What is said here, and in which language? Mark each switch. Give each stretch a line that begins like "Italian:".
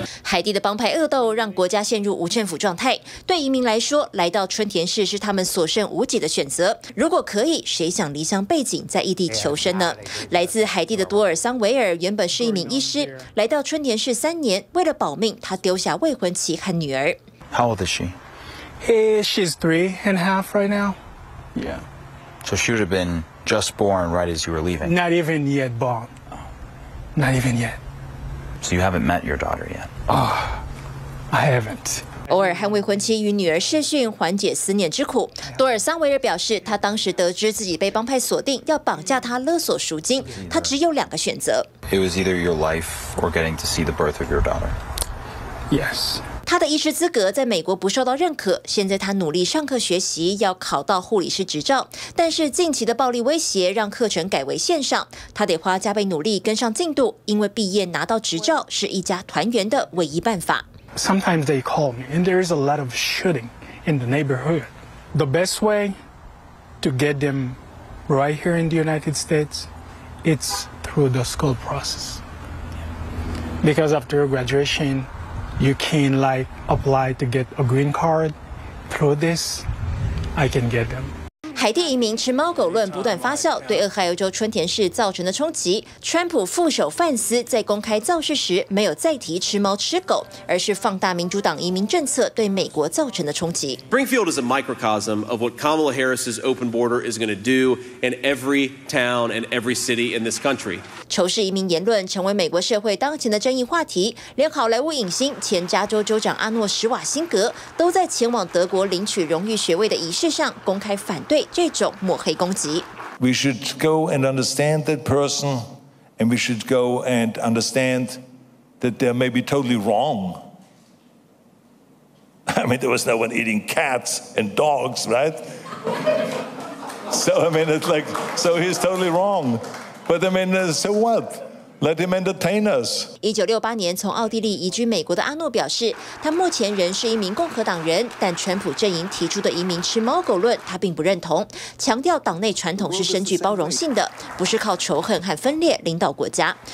Chinese: 海地的帮派恶斗让国家陷入无政府状态。对移民来说，来到春田市是他们所剩无几的选择。如果可以，谁想离乡背井在异地求生呢？来自海地的多尔桑维尔原本是一名医师，来到春田市3年，为了保命，他丢下未婚妻和女儿。
English: How old is she? She's 3.5 right now. Yeah. So she would have been just born right as you were leaving. Not even yet born. Not even yet. So you haven't met your daughter yet? Oh, I haven't.
Chinese: 偶尔和未婚妻与女儿视讯，缓解思念之苦。多尔桑维尔表示，他当时得知自己被帮派锁定，要绑架他勒索赎金，他只有两个选择。
English: It was either your life or getting to see the birth of your daughter. Yes.
Chinese: 他的医师资格在美国不受到认可，现在他努力上课学习，要考到护理师执照。但是近期的暴力威胁让课程改为线上，他得花加倍努力跟上进度，因为毕业拿到执照是一家团圆的唯一办法。
English: Sometimes they call me, and there is a lot of shooting in the neighborhood. The best way to get them right here in the United States, it's through the school process. Because after graduation,You can like apply to get a green card. Through this, I can get them.
Chinese: 海地移民吃猫狗论不断发酵，对俄亥俄州春田市造成的冲击。川普副手范斯在公开造势时没有再提吃猫吃狗，而是放大民主党移民政策对美国造成的冲击。
English: Springfield is a microcosm of what Kamala Harris's open border is going to do in every town and every city in this country.
Chinese: 仇视移民言论成为美国社会当前的争议话题，连好莱坞影星前加州州长阿诺·施瓦辛格都在前往德国领取荣誉学位的仪式上公开反对这种抹黑攻击。
English: We should go and understand that person, and we should go and understand that they may be totally wrong. I mean, there was no one eating cats and dogs, right? So I mean, it's like, so he's totally wrong. But I mean, so what? Let him entertain us.
Chinese: 1968年从奥地利移居美国的阿诺表示，他目前仍是一名共和党人，但川普阵营提出的移民吃猫狗论，他并不认同，强调党内传统是深具包容性的，不是靠仇恨和分裂领导国家。